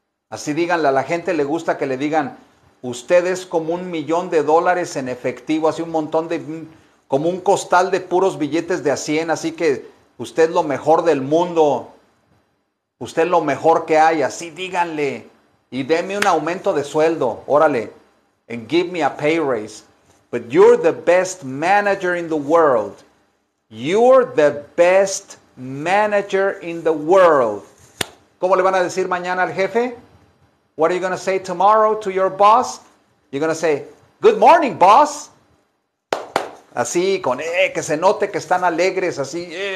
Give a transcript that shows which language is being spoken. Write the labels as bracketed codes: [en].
[es] Así díganle, a la gente le gusta que le digan, usted es como $1,000,000 en efectivo, así un montón de, como un costal de puros billetes de a 100, así que usted es lo mejor del mundo. Usted es lo mejor que hay, así díganle. Y deme un aumento de sueldo, órale. [en] And give me a pay raise. But you're the best manager in the world. You're the best manager in the world. [es] ¿Cómo le van a decir mañana al jefe? [en] What are you going to say tomorrow to your boss? You're going to say, good morning, boss. [es] Así, con que se note que están alegres, así.